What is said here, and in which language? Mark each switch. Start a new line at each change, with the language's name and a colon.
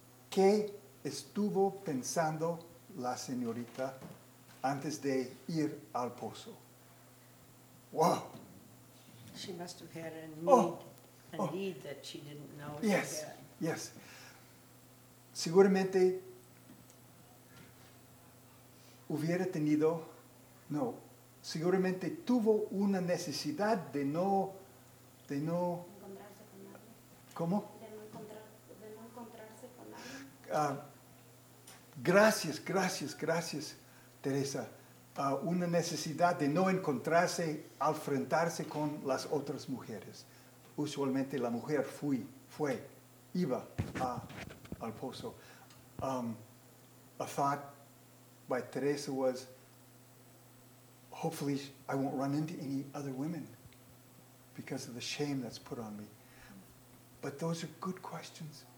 Spanish: ¿Qué estuvo pensando la señorita antes de ir al pozo?
English: Wow! She must have had a need that she didn't know. Yes, yes.
Spanish: Seguramente hubiera tenido, no, seguramente tuvo una necesidad de no encontrarse con nadie. ¿Cómo? De no encontrarse con nadie. Gracias, Teresa. Una necesidad de no encontrarse, enfrentarse con las otras mujeres. Usualmente la mujer iba al pozo.
English: A thought by Teresa was, hopefully I won't run into any other women because of the shame that's put on me. But those are good questions.